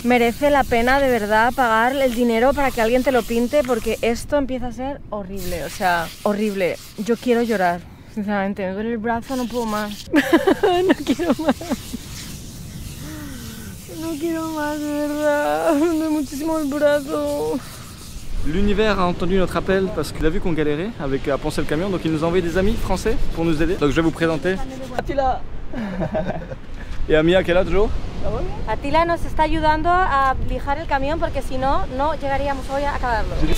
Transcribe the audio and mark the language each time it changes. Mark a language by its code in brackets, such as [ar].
[es] Merece la pena de verdad pagar el dinero para que alguien te lo pinte porque esto empieza a ser horrible, o sea, horrible. Yo quiero llorar, sinceramente. Me duele el brazo, no puedo más. No quiero más. No quiero más, de verdad. Me duele muchísimo el brazo. [fr] L'univers a entendu notre appel parce qu'il a vu qu'on galérait avec à poncer le camion, donc il nous a envoyé des amis français pour nous aider. Donc je vais vous présenter. Attila. Et Amia, qui est là toujours? [es] Attila nous está ayudando a lijar el camión porque si no, no llegaríamos hoy a acabarlo.